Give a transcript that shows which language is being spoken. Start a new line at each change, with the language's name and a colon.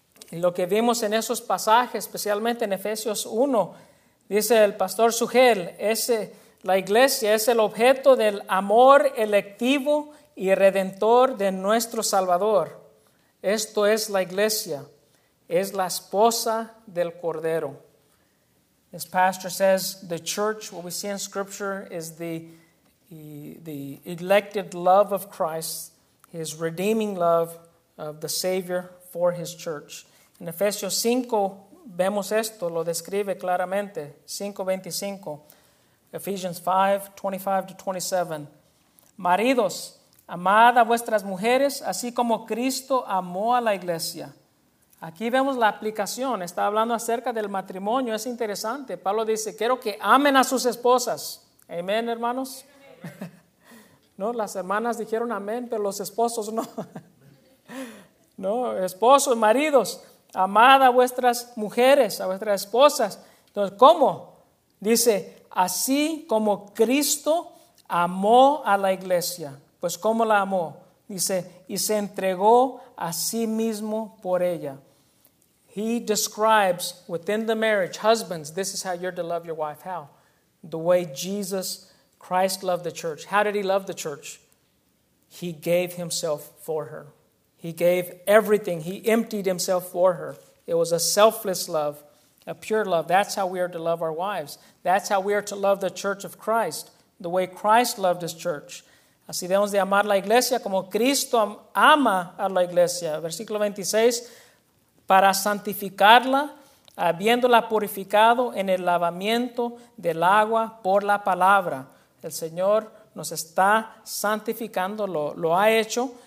Spanish: Y lo que vimos en esos pasajes, especialmente en Efesios 1, dice el pastor Sugel, la iglesia es el objeto del amor electivo y redentor de nuestro Salvador. Esto es la iglesia, es la esposa del Cordero.
English: His pastor says, the church, what we see in scripture, is the elected love of Christ, his redeeming love of the Savior for his church.
Spanish: En Efesios 5 vemos esto, lo describe claramente, 5:25, Ephesians 5:25-27. Maridos, amad a vuestras mujeres, así como Cristo amó a la iglesia. Aquí vemos la aplicación, está hablando acerca del matrimonio, es interesante. Pablo dice, quiero que amen a sus esposas. Amén, hermanos. No, las hermanas dijeron amén, pero los esposos no. No, esposos, maridos. Amad a vuestras mujeres, a vuestras esposas. Entonces, ¿cómo? Dice, así como Cristo amó a la iglesia. Pues, ¿cómo la amó? Dice, y se entregó a sí mismo por ella.
English: He describes within the marriage, husbands, this is how you're to love your wife. How? The way Jesus Christ loved the church. How did he love the church? He gave himself for her. He gave everything. He emptied himself for her. It was a selfless love, a pure love. That's how we are to love our wives. That's how we are to love the church of Christ, the way Christ loved his church.
Spanish: Así debemos de amar la iglesia como Cristo ama a la iglesia. Versículo 26, para santificarla, habiéndola purificado en el lavamiento del agua por la palabra. El Señor nos está santificando, lo ha hecho.